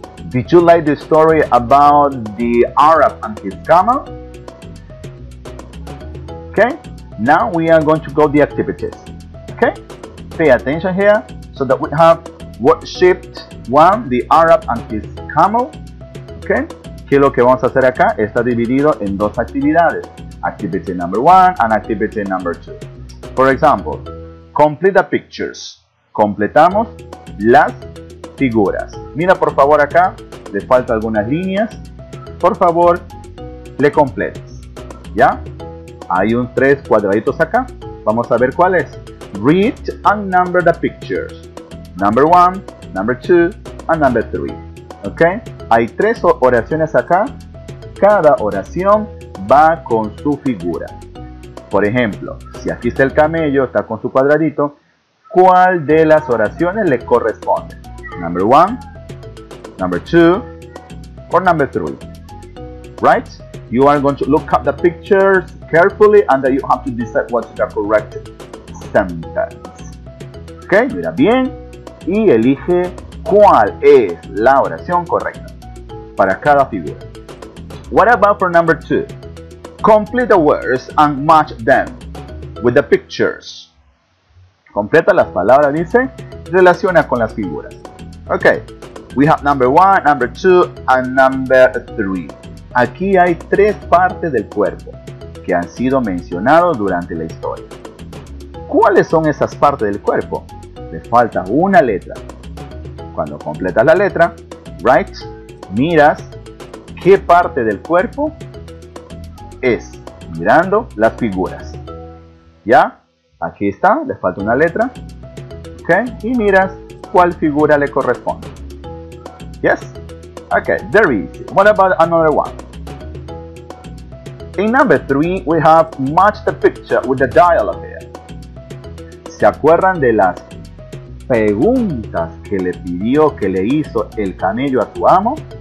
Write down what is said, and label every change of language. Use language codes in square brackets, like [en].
[en] Did you like the story about the Arab and his camel? Ok. Now we are going to go to the activities. Ok. Pay attention here. So that we have worshipped one, the Arab and his camel. Ok. [es] ¿Qué es lo que vamos a hacer acá? Está dividido en dos actividades. [en] Activity number one and activity number two. [es] For example, complete the pictures. Completamos las figuras. Mira, por favor, acá le faltan algunas líneas. Por favor, le completes. ¿Ya? Hay un tres cuadraditos acá. Vamos a ver cuál es. [en] Read and number the pictures. Number one, number two, and number three. ¿Ok? [es] Hay tres oraciones acá. Cada oración va con su figura. Por ejemplo, si aquí está el camello, está con su cuadradito, ¿cuál de las oraciones le corresponde? [en] Number one, number two, or number three. Right? You are going to look up the pictures carefully and then you have to decide what's the correct sentence. [es] Ok, mira bien y elige cuál es la oración correcta para cada figura. [en] What about for number two? Complete the words and match them with the pictures. [es] Completa las palabras, dice, relaciona con las figuras. [en] Ok, we have number one, number two, and number three. [es] Aquí hay tres partes del cuerpo que han sido mencionados durante la historia. ¿Cuáles son esas partes del cuerpo? Le falta una letra. Cuando completas la letra, right, miras qué parte del cuerpo es, mirando las figuras. ¿Ya? Aquí está, le falta una letra. ¿Ok? Y miras cuál figura le corresponde. ¿Yes? [en] Okay, very easy. What about another one? In number 3, we have match the picture with the dialogue here. [es] ¿Se acuerdan de las preguntas que le pidió, que le hizo el camello a su amo?